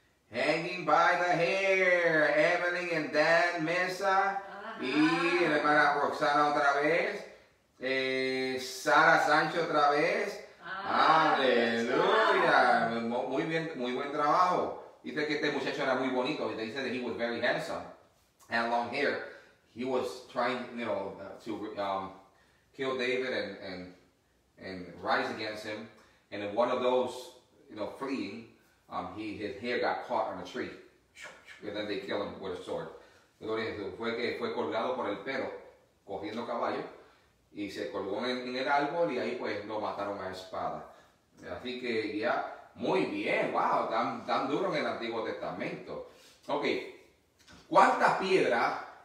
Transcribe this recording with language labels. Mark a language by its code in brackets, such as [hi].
[en] Hanging by the hair, Evelyn and Dan Mesa. [es] Uh-huh. Y la hermana Roxana otra vez. Sara Sánchez otra vez. Ah, aleluya. Muy bien, muy buen trabajo. Dice que este muchacho era muy bonito. Dice que [en] he was very handsome. Had long hair. He was trying, you know, to kill David and rise against him. And in one of those, fleeing, his hair got caught on a tree. And then they kill him with a sword. [es] Gloria a Jesús. Fue que fue colgado por el pelo, cogiendo caballo. Y se colgó en el árbol y ahí pues lo mataron a espada. Así que ya, muy bien, wow, tan duro en el Antiguo Testamento. Ok, ¿cuántas piedras